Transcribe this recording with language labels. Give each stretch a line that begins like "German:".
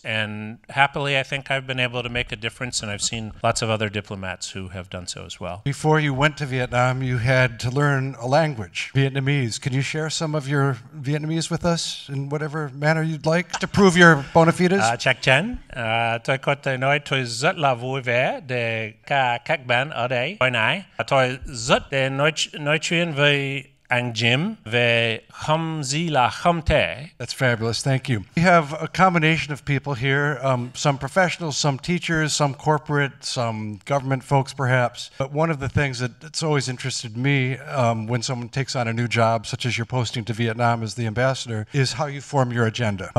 English: And happily, I think I've been able to make a difference. And I've seen lots of other diplomats who have done so as well. Before you went to Vietnam, you had to learn a language, Vietnamese. Can you share some of your Vietnamese with us in whatever manner you'd like to prove your bona fides?
Vietnamese: Chắc chắn. Tôi có thể nói tôi rất là vui vẻ để cả các bạn ở đây. Hồi nãy, tôi rất để nói chuyện với anh Jim về không gì là không thể.
English: That's fabulous. Thank you. We have a combination of people here, some professionals, some teachers, some corporate, some government folks, perhaps. But one of the things that's always interested me when someone takes on a new job, such as you're posting to Vietnam as the ambassador, is how you form your agenda.